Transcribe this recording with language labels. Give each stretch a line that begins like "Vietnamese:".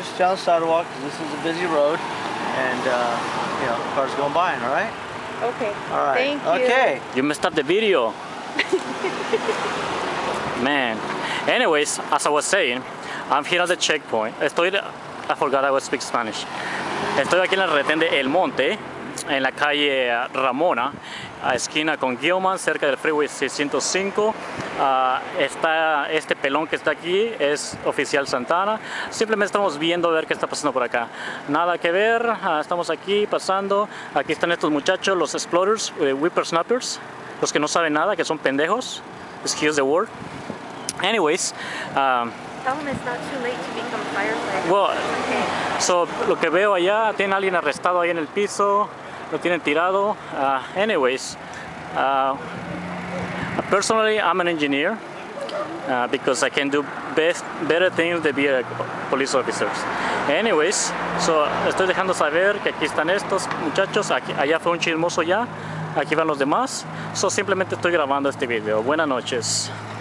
English: Just down the sidewalk because this is a busy road. And, you know, cars going by, all right? Okay. All right. Thank you. Okay. You messed up the video. Man. Anyways, as I was saying, I'm here at the checkpoint. I forgot I would speak Spanish.
Spanish: Estoy aquí en el retén de El Monte, en la calle Ramona, a esquina con Gilman, cerca del Freeway 605. Está este pelón que está aquí, es oficial Santana. Simplemente estamos viendo a ver qué está pasando por acá. Nada que ver, estamos aquí pasando. Aquí están estos muchachos, los explorers, whippersnappers, los que no saben nada, que son pendejos.
English: Excuse the word. Anyways, tell them it's not too late to become firefighters. Well, okay.
Spanish: So lo que veo allá, tiene alguien arrestado ahí en el piso, lo tienen tirado.
English: Anyways, personally, I'm an engineer because I can do better things than be a police officer. Anyways, so
Spanish: estoy dejando saber que aquí están estos muchachos. Allá fue un chismoso ya. Aquí van los demás. So simplemente estoy grabando este video. Buenas noches.